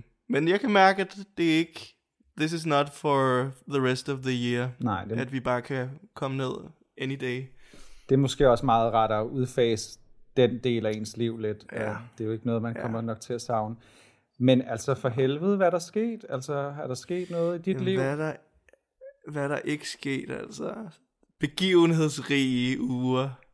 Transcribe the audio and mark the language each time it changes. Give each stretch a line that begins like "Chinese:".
Danish: Men jeg kan mærke, at det ikke...
English: This is not for the rest of the year.
Danish: Nej, det... At vi bare kan komme ned
English: any day.
Danish: Det er måske også meget rart at udfase den del af ens liv lidt. Ja. Det er jo ikke noget, man kommer nok til at savne. Men altså for helvede, hvad er der sket? Altså er der sket noget i dit liv? Hvad er der ikke sket? Altså begivenhedsrige uger.